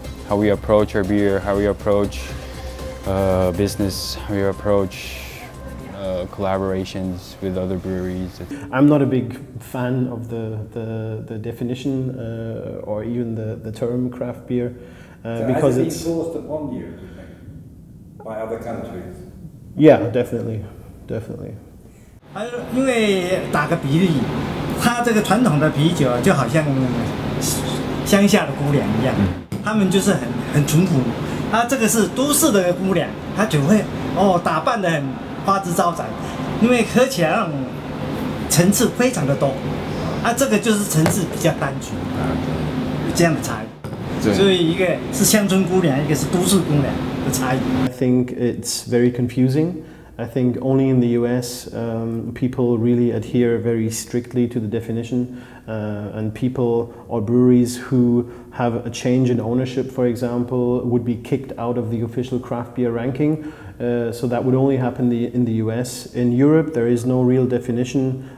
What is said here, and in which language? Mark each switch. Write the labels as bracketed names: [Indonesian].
[English] How we approach our beer, how we approach business, how we approach collaborations with other breweries. I'm not a big fan of the definition or even the term craft beer. Because it's sourced upon you, do you think, by other countries? Yeah, definitely, definitely. [Chinese] 因为打个比例, 它这个传统的啤酒就好像乡下的姑娘一样, 他们就是很淳朴, 它这个是都市的姑娘, 它就会, 哦, 打扮得很, 花枝招展, 因为喝起来层次非常的多, 啊, 这个就是层次比较单纯, 这样的差异, 所以一个是乡村姑娘, 一个是都市姑娘的差异。 [English] I think it's very confusing. I think only in the US people really adhere very strictly to the definition, and people or breweries who have a change in ownership, for example, would be kicked out of the official craft beer ranking. So that would only happen in the US. In Europe, there is no real definition.